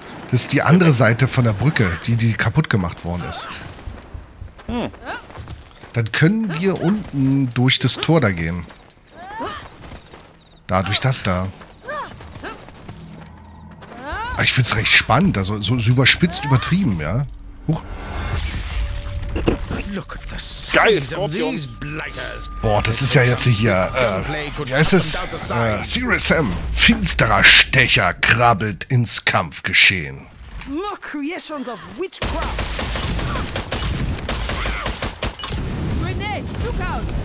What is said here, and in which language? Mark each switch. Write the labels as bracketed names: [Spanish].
[German] Das ist die andere Seite von der Brücke, die kaputt gemacht worden ist. Hm. Dann können wir unten durch das Tor da gehen. Da, durch das da. Ich find's recht spannend, also so überspitzt, übertrieben, ja. Huch. [English] Look at the size of these blighters. [German] Boah, das ist ja jetzt hier, wie heißt es? Serious Sam, finsterer Stecher krabbelt ins Kampfgeschehen. [English] More creations of witchcraft. Grenade, look out.